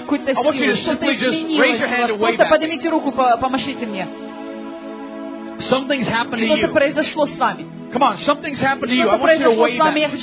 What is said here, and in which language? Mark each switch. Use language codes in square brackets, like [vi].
[en] I want you to simply just raise your hand and wave. [ru] Просто поднимите руку, помашите мне. [en] Something's happened to you. [ru] Что-то произошло с вами. [en] Come on, something's happened to you. I want you to wave.